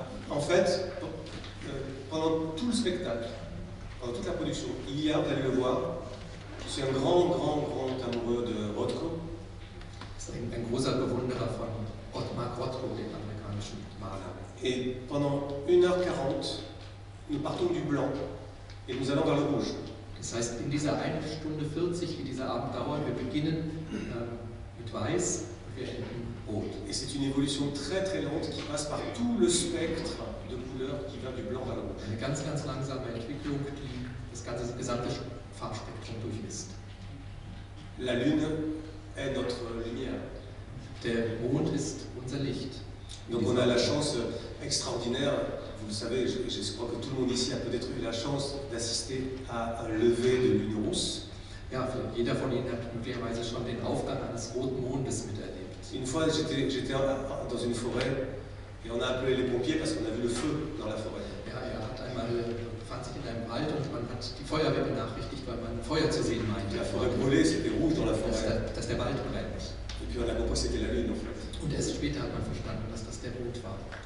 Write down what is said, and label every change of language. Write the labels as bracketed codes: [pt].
[fr] En fait, pendant tout le spectacle, pendant toute la production, il y a, vous allez le voir, je suis un grand amoureux de Rothko. [de] Ein großer Bewunderer von Otmar Rothko, dem amerikanischen Maler. [fr] Et pendant 1h40, nous partons du blanc et nous allons vers le rouge. [de] Das heißt, in dieser 1 Stunde 40, wie dieser Abend dauert, wir beginnen mit Weiß und wir enden rot. [fr] Et c'est une évolution très très lente qui passe par tout le spectre de couleurs qui va du blanc vers le rouge. [de] Eine ganz ganz langsame Entwicklung, die das ganze gesamte Farbspektrum durchmisst. [fr] La lune est notre lumière. [de] Der Mond ist unser Licht. [fr] Donc on a la chance extraordinaire. Vous le savez, je crois que tout le monde ici a peut-être eu la chance d'assister à un lever de lune rousse. [de] Ja, jeder von Ihnen hat möglicherweise schon den Aufgang eines roten Mondes miterlebt. [fr] Une fois, j'étais dans une forêt et on a appelé les pompiers parce qu'on a vu le feu dans la forêt. [de] Fand sich in einem Wald und man hat die Feuerwehr benachrichtigt, weil man Feuer zu sehen meinte. [fr] La forêt brûlée, c'était rouge dans la forêt. [de] Dass der Wald brennt. [fr] Et puis on a compris c'était la lune en fait. [de] Und erst später hat man verstanden, dass das der Mond war.